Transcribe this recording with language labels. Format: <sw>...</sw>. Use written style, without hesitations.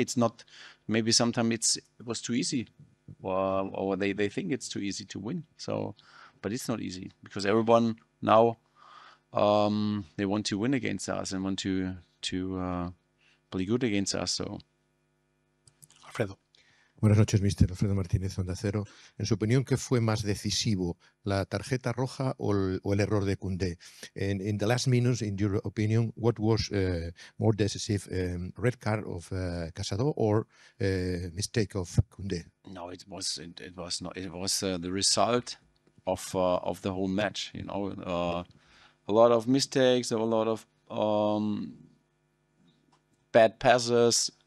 <en>It's not, maybe sometimes it was too easy, or they think it's too easy to win, so, but it's not easy, because everyone now they want to win against us and want to play good against us. So Alfredo.</en> <es>Buenas noches, Mister. Alfredo Martínez, Onda Cero. En su opinión, ¿qué fue más decisivo, la tarjeta roja o el error de Koundé?</es> <en>In the last minutes, in your opinion, what was more decisive, red card of Casado or mistake of Koundé? No, it was the result of the whole match. You know, a lot of mistakes, a lot of bad passes.</en>